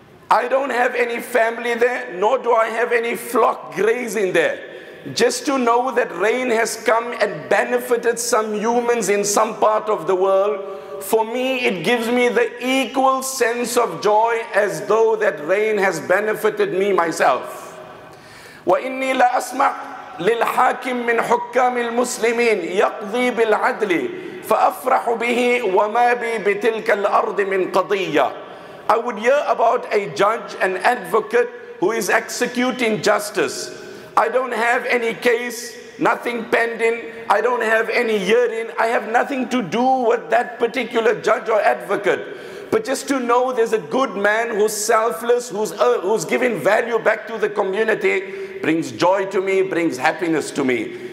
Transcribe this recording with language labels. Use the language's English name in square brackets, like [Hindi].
[English] I don't have any family there, nor do I have any flock grazing there. Just to know that rain has come and benefited some humans in some part of the world, For me, it gives me the equal sense of joy as though that rain has benefited me myself. [Arabic] وَإِنِّي لَأَسْمَعْ لِلْحَاكِمْ مِنْ حُكَّامِ الْمُسْلِمِينَ يَقْضِي بِالْعَدْلِ فَأَفْرَحُ بِهِ وَمَا بِي بِتِلْكَ الْأَرْضِ مِنْ قَضِيَّةِ [English] I would hear about a judge, an advocate who is executing justice. I don't have any case. Nothing pending, I don't have any hearing, I have nothing to do with that particular judge or advocate. But just to know there's a good man who's selfless, who's giving value back to the community, brings joy to me, brings happiness to me.